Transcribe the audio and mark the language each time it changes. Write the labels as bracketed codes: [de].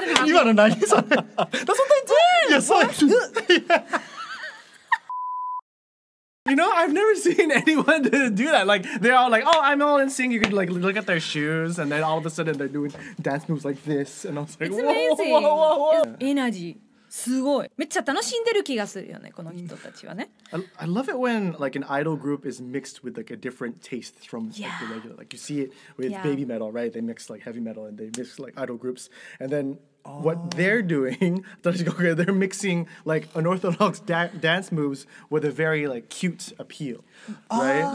[en] the beat. That's what they do! Yeah. You know, I've never seen anyone do that. Like, they're all like, oh, I'm all in sync. You could, like, look at their shoes, and then all of a sudden they're doing dance moves like this. And I was like, whoa, whoa, whoa, whoa. [ja] Energy. すごい。めっちゃ楽しんでる気がするよね、この人たちはね。 [en] I love it when, like, an idol group is mixed with, like, a different taste from, like, the regular. Like, you see it with baby metal, right? They mix, like, heavy metal, and they mix, like, idol groups. And then... What they're doing, they're mixing like unorthodox dance moves with a very like cute appeal, right?